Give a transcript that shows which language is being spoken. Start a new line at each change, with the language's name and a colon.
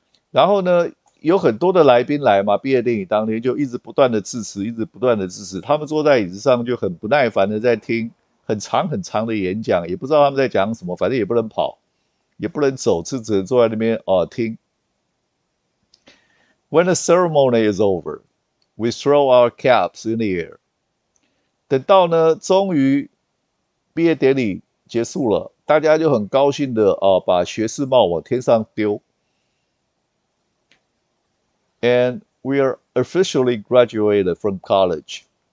Chinese: 然后呢，有很多的来宾来嘛，毕业典礼当天就一直不断的致辞，一直不断的致辞。他们坐在椅子上就很不耐烦的在听很长很长的演讲，也不知道他们在讲什么，反正也不能跑，也不能走，就只能坐在那边听。
English: When the ceremony is over, we throw our caps in the air.
Chinese: 等到呢，终于毕业典礼结束了，大家就很高兴的把学士帽往天上丢。
English: And we are officially graduated from college.